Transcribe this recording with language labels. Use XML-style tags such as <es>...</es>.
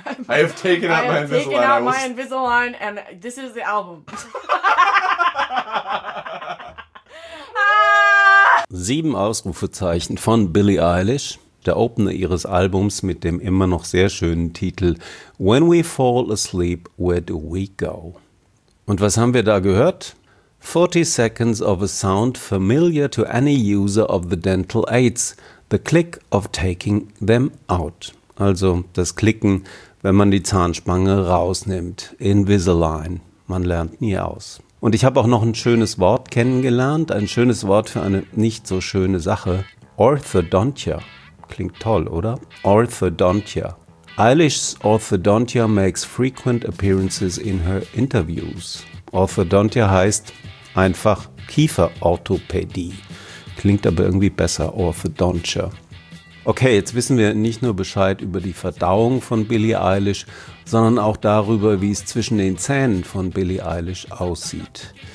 <en>I have taken out my Invisalign. I have taken out my Invisalign and this is the album.</en> <de>7 Ausrufezeichen von Billie Eilish, der Opener ihres Albums mit dem immer noch sehr schönen Titel When We Fall Asleep, Where Do We Go? Und was haben wir da gehört?</de> <en>40 seconds of a sound familiar to any user of the dental aids, the click of taking them out.</en> <de>Also das Klicken, wenn man die Zahnspange rausnimmt. Invisalign. Man lernt nie aus. Und ich habe auch noch ein schönes Wort kennengelernt. Ein schönes Wort für eine nicht so schöne Sache. Orthodontia. Klingt toll, oder? Orthodontia.</de> <en>Eilish's Orthodontia makes frequent appearances in her interviews.</en> <de>Orthodontia heißt einfach Kieferorthopädie. Klingt aber irgendwie besser. Orthodontia. Okay, jetzt wissen wir nicht nur Bescheid über die Verdauung von Billie Eilish, sondern auch darüber, wie es zwischen den Zähnen von Billie Eilish aussieht.</de>